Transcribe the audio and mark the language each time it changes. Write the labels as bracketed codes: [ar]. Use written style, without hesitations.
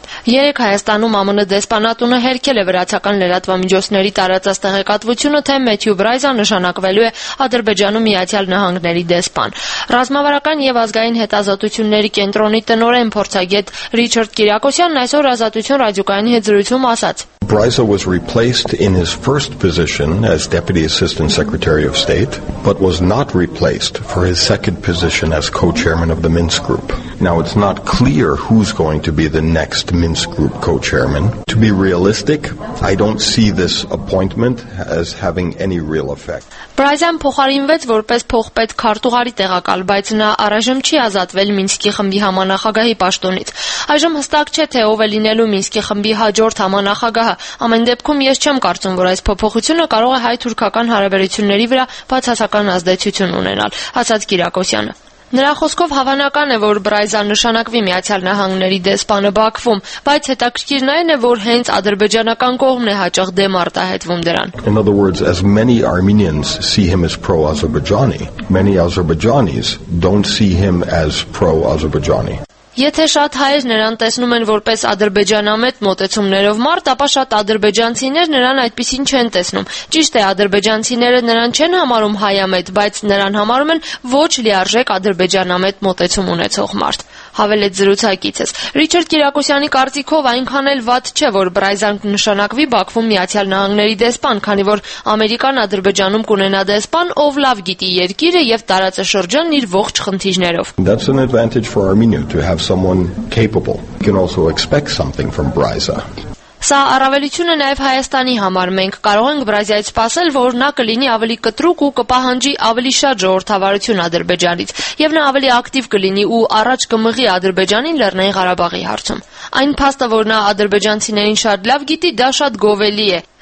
[hy] Երեք Հայաստանում ԱՄՆ դեսպանատունը հերքել է վրացական լրատվամիջոցների տարածած տեղեկատվությունը, թե Մեթյու Բրայզը նշանակվելու է Ադրբեջանում Միացյալ Նահանգների դեսպան։ Ռազմավարական և ազգային հետազոտությունների կենտրոնի տնօրեն փորձագետ Ռիչարդ Կիրակոսյանն այսօր Ազատություն ռադիոկայանի հետ զրույցում ասաց. [en] Bryza was replaced in his first position as Deputy Assistant Secretary of State, but was not replaced for his second position as co-chairman of the Minsk Group. Now, it's not clear who's going to be the next Minsk Group co-chairman. To be realistic, I don't see this appointment as having any real effect. [hy] Բրայզան փոխարինվեց որպես փոխպետ քարտուղարի տեղակալ, բայց նա առայժմ չի ազատվել Մինսկի խմբի համանախագահի պաշտոնից։ Այժմ հստակ չէ, թե ով է լինելու Մինսկի խմբի հաջորդ համանախագահը։ Ամեն դեպքում ես չեմ կարծում, որ այս փոփոխությունը կարող է հայ-թուրքական հարաբերությունների վրա բացասական ազդեցություն ունենալ, ասաց Կիրակոսյանը։ Նրա խոսքով հավանական է, որ Բրայզը նշանակվի Միացյալ Նահանգների դեսպանը Բաքվում, բայց հետաքրքիրն այն է, որ հենց ադրբեջանական կողմն է հաճախ դեմ արտահայտվում դրան։ [en] In other words, as many Armenians see him as pro-Azerbaijani, many Azerbaijanis don't see him as pro-Azerbaijani. [hy] Եթե շատ հայեր նրան տեսնում են որպես ադրբեջանամետ մոտեցումներով մարդ, ապա շատ ադրբեջանցիներ նրան այդպիսին չեն տեսնում։ Ճիշտ է, ադրբեջանցիները նրան չեն համարում հայամետ, բայց նրան համարում են ոչ լիարժեք ադրբեջանամետ մոտեցում ունեցող մարդ, հավելեց զրուցակիցս։ Ռիչարդ Կիրակոսյանի կարծիքով այնքան էլ վատ չէ, որ Բրայզան նշանակվի Բաքվում Միացյալ Նահանգների դեսպան, քանի որ Ամերիկան Ադրբեջանում կունենա դեսպան, ով լավ գիտի երկիրը եւ տարածաշրջանն իր ողջ խնդիրներով։ [en] That's an advantage for Armenia to have someone capable. You can also expect something from Brazza. [hy] Սա առավելություն է նաև Հայաստանի համար։ Մենք կարող ենք Բրազիայից սպասել, որ նա կլինի ավելի կտրուկ ու կպահանջի ավելի շատ ժողովրդավարություն Ադրբեջանից, եւ նա ավելի ակտիվ կլինի ու առաջ կմղի Ադրբեջանին Լեռնային Ղարաբաղի հարցում։ Այն փաստը, որ նա ադրբեջանցիներին շատ լավ գիտի, դա շատ գովելի է,